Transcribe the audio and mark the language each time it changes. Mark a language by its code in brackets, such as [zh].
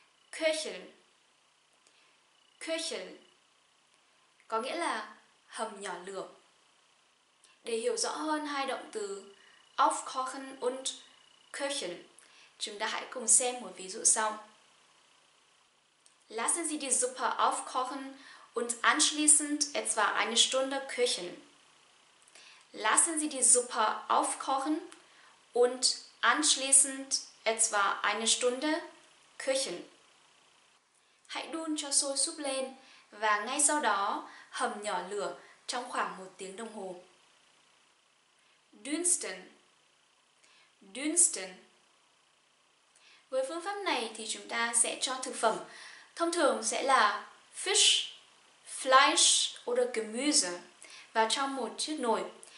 [vi] Köcheln. Köcheln có nghĩa là hầm nhỏ lửa. Để hiểu rõ hơn hai động từ [de] aufkochen und köcheln, [vi] chúng ta hãy cùng xem một ví dụ sau. [de] Lassen Sie die Suppe aufkochen und anschließend etwa eine Stunde köcheln. Lassen Sie die Suppe aufkochen und anschließend etwa eine Stunde köcheln. [vi] Hãy đun cho sôi súp lên và ngay sau đó hầm nhỏ lửa trong khoảng một tiếng đồng hồ. [de] Dünsten. Dünsten. [vi] Với phương pháp này thì chúng ta sẽ cho thực phẩm thông thường sẽ là [de] Fisch, Fleisch oder Gemüse [vi] vào trong một chiếc nồi.